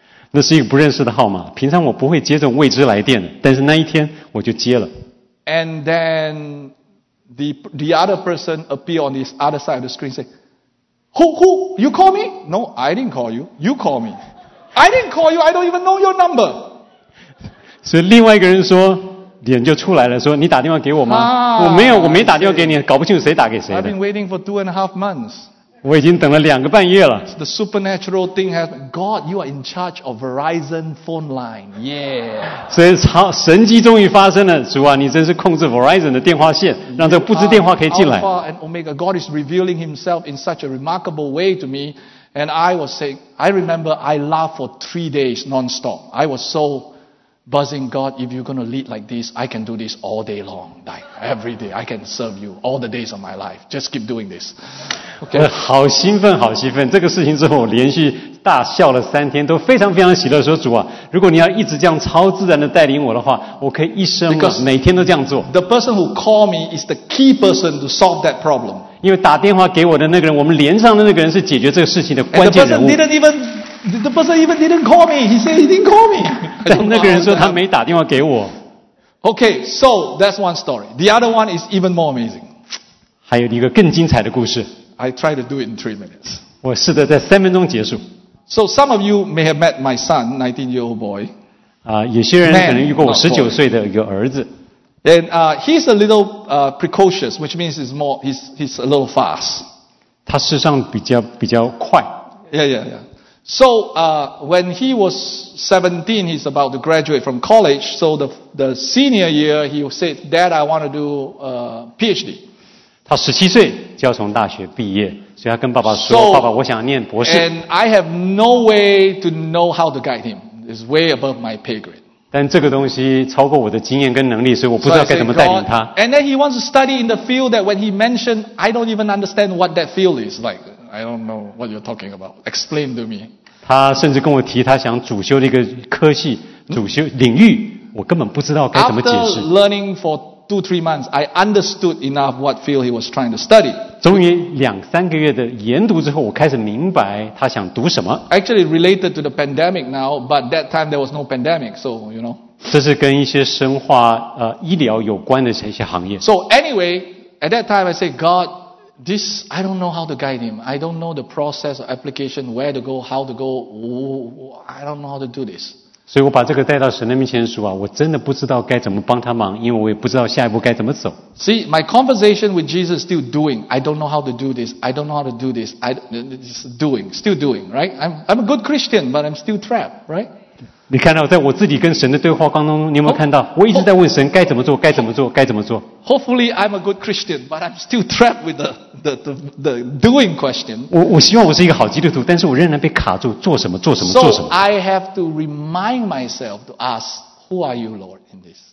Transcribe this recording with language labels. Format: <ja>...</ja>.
<zh>那是一个不认识的号码，平常我不会接这种未知来电的，但是那一天我就接了。</zh> <en>And then the other person appear on the other side of the screen say, Who? You call me? No, I didn't call you. You call me. I didn't call you. I don't even know your number.</en> <zh>所以另外一个人说，脸就出来了，说你打电话给我吗？我没有，我没打电话给你，搞不清楚谁打给谁的。</zh> <en>I've been waiting for 2.5 months.</en> <zh>我已经等了两个半月了。</zh> <en>The supernatural thing has God. You are in charge of Verizon phone line. Yeah.</en> <zh>所以神迹终于发生了，主啊，你真是控制 Verizon 的电话线，让这个不知电话可以进来。</zh> <en>Alpha and Omega, God is revealing Himself in such a remarkable way to me, and I was saying, I remember I laughed for 3 days nonstop. I was so buzzing, God, if you're going to lead like this, I can do this all day long, like every day. I can serve you all the days of my life. Just keep doing this. Okay.</en> <zh>好兴奋，好兴奋！这个事情之后，我连续大笑了三天，都非常非常喜乐。说主啊，如果你要一直这样超自然的带领我的话，我可以一生每天都这样做。</zh> <en>The person who called me is the key person to solve that problem.</en> <zh>因为打电话给我的那个人，我们连上的那个人是解决这个事情的关键人物。</zh> <en>And the person even didn't call me. He said he didn't call me.</en> <zh>但那个人说他没打电话给我。</zh> <en>Okay, so that's one story. The other one is even more amazing.</en> <zh>还有一个更精彩的故事。</zh> <en>I try to do it in 3 minutes.</en> <zh>我试着在三分钟结束。</zh> <en>So some of you may have met my son, 19-year-old boy.</en> <zh>有些人可能遇过我19岁的一个儿子。</zh> <en>And he's a little precocious, which means he's a little fast.</en> <zh>他事实上比较快。</zh> <en>Yeah. So when he was 17, he's about to graduate from college. So the senior year, he said, "Dad, I want to do PhD."</en> <zh>他17岁就要从大学毕业，所以他跟爸爸说：“ 爸爸，我想念博士。”</zh> <en>And I have no way to know how to guide him. It's way above my pay grade.</en> <zh>但这个东西超过我的经验跟能力，所以我不知道该怎么带领他。</zh> <en>And then he wants to study in the field that when he mentioned, I don't even understand what that field is like. I don't know what you're talking about. Explain to me.</en> <zh>他甚至跟我提他想主修的一个科系、主修领域，我根本不知道该怎么解释。</zh> <en>After learning for 2-3 months, I understood enough what field he was trying to study.</en> <zh>终于两三个月的研读之后，我开始明白他想读什么。</zh> <en>Actually related to the pandemic now, but that time there was no pandemic, so you know.</en> <zh>这是跟一些生化医疗有关的一些行业。</zh> <en>So anyway, at that time I said, God. This, I don't know how to guide him. I don't know the process or application, where to go, how to go. I don't know how to do this.</en> <zh>所以我把这个带到神的面前说啊，我真的不知道该怎么帮他忙，因为我也不知道下一步该怎么走。</zh> <en>See, my conversation with Jesus is still doing. I don't know how to do this. I don't know how to do this. Still doing, right? I'm a good Christian, but I'm still trapped, right?</en> <zh>你看到在我自己跟神的对话当中，你有没有看到我一直在问神该怎么做，该怎么做，该怎么做</zh> <en>？Hopefully I'm a good Christian, but I'm still trapped with the doing question.</en> <zh>我希望我是一个好基督徒，但是我仍然被卡住，做什么，做什么，做什么</zh> <en>？So I have to remind myself to ask, "Who are you, Lord, in this?"</en>